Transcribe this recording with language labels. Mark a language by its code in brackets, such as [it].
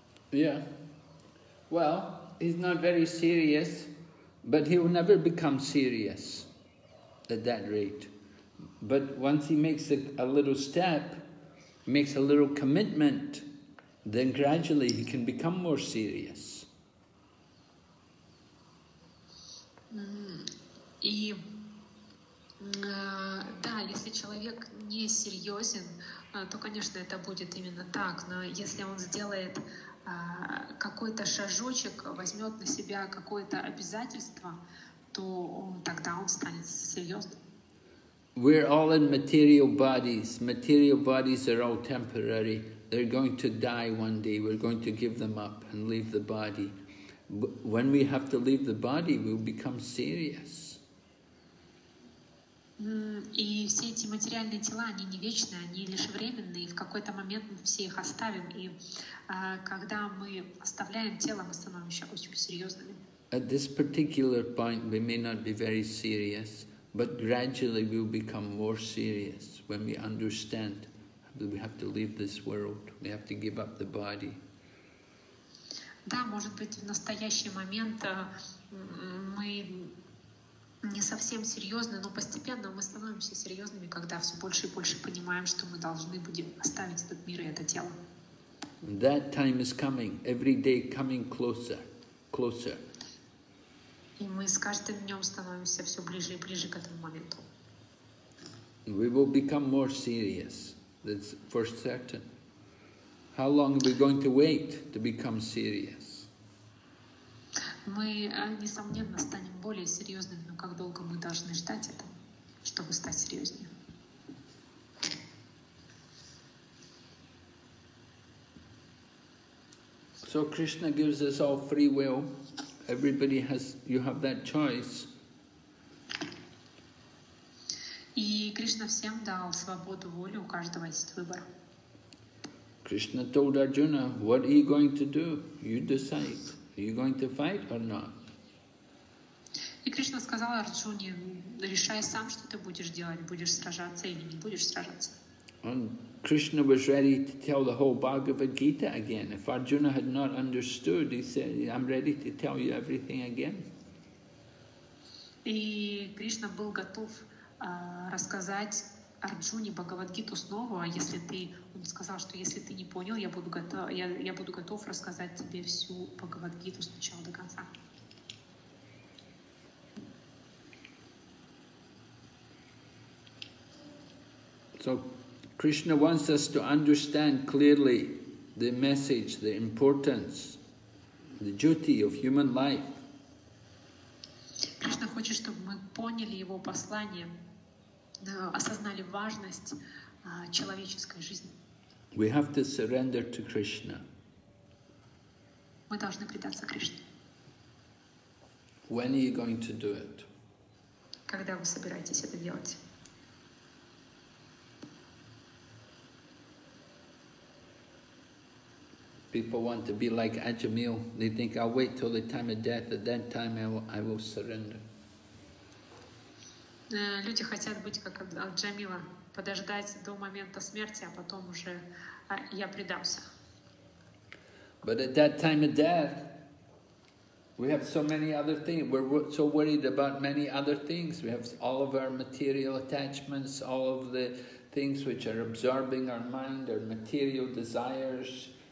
[en] Yeah, well, he's not very serious, but he will never become serious at that rate. But once he makes a little step, makes a little commitment, then gradually he can become more serious. [ru] И да, если человек не серьезен, то, конечно, это будет именно так. Но если он сделает какой-то шажочек, возьмет на себя какое-то обязательство, то тогда он станет серьезным. [en] We're all in material bodies. Material bodies are all temporary. They're going to die one day. We're going to give them up and leave the body. But when we have to leave the body, we'll become serious. [ru] И все эти материальные тела, они не вечные, они лишь временные. В какой-то момент мы все их оставим. И когда мы оставляем тело, мы становимся очень серьезными. [en] At this particular point, we may not be very serious. But gradually we will become more serious when we understand that we have to leave this world, we have to give up the body. [ru] Да, может быть, в настоящий момент мы не совсем серьезны, но постепенно мы становимся серьезными, когда все больше и больше понимаем, что мы должны будем оставить этот мир и это тело. [en] That time is coming, every day coming closer, closer. [ru] И мы с каждым днем становимся все ближе и ближе к этому моменту. [en] We will become more serious, that's for certain. How long are we going to wait to become serious? [ru] Мы, несомненно, станем более серьезными, но как долго мы должны ждать это, чтобы стать серьезнее? [en] So Krishna gives us all free will. Everybody has, you have that choice. [ru] И Кришна всем дал свободу воли, у каждого есть выбор. [en] Krishna told Arjuna, what are you going to do? You decide. Are you going to fight or not? [ru] И Кришна сказал Арджуне, решай сам, что ты будешь делать, будешь сражаться или не будешь сражаться. [en] And Krishna was ready to tell the whole Bhagavad Gita again. If Arjuna had not understood, he said, I'm ready to tell you everything again. [ru] И Кришна был готов рассказать Арджуне Бхагавадгиту снова, если ты, он сказал, что если ты не понял, я буду готов рассказать тебе всю Бхагавадгиту сначала до конца. [en] So Krishna wants us to understand clearly the message, the importance, the duty of human life. [ru] Кришна хочет, чтобы мы поняли его послание, осознали важность человеческой жизни. [en] We have to surrender to Krishna. [ru] Мы должны предаться Кришне. [en] When are you going to do it? [ru] Когда вы собираетесь это делать? [en] People want to be like Ajamil. They think, I'll wait till the time of death, at that time I will surrender. [ru] Люди хотят быть как Аджамила, подождать до момента смерти, а потом уже я предамся. [en] But at that time of death, we have so many other things. We're so worried about many other things. We have all of our material attachments, all of the things which are absorbing our mind, our material desires.